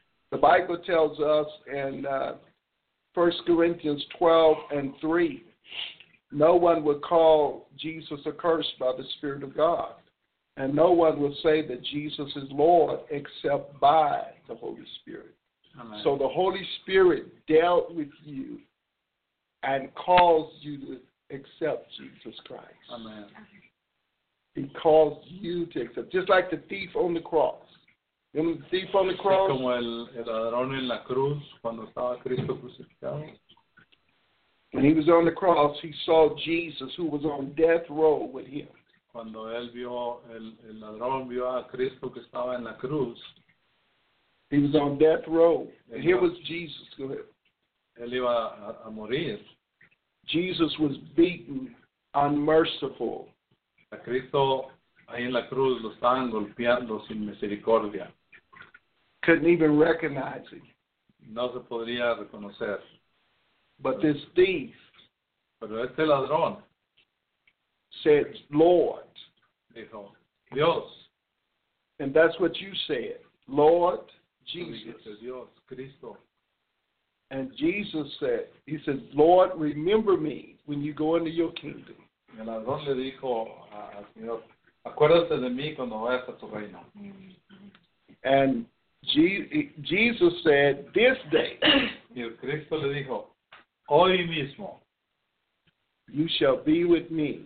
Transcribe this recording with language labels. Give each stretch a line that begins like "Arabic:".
English: The Bible tells us in 1 Corinthians 12:3, no one would call Jesus accursed by the Spirit of God, and no one would say that Jesus is Lord except by the Holy Spirit. Amen. So the Holy Spirit dealt with you and caused you to accept Jesus Christ. Amen. He caused you to accept. Just like the thief on the cross. The thief on the cross.
Spanish: Como el ladrón en la cruz cuando estaba Cristo crucificado.
English: When he was on the cross, he saw Jesus, who was on death row with him.
Spanish: Cuando él vio el ladrón vio a Cristo que estaba en la cruz.
English: He was on death row. And here was Jesus. Go ahead.
Spanish: Él iba a morir.
English: Jesus was beaten, unmerciful.
Spanish: A Cristo ahí en la cruz lo estaban golpeando sin misericordia.
English: Couldn't even recognize him.
Spanish: No se podría reconocer.
English: But this thief.
Spanish: Pero este ladrón.
English: Said, Lord.
Spanish: Dijo, Dios.
English: And that's what you said. Lord Jesus.
Spanish: Dios, Cristo.
English: And Jesus said, he said, Lord, remember me when you go into your kingdom.
Spanish: El ladrón le dijo al Señor, acuérdate de mí cuando vayas a tu reino.
English: And Jesus said, this day.
Spanish: Y el Cristo le dijo, hoy mismo.
English: You shall be with me.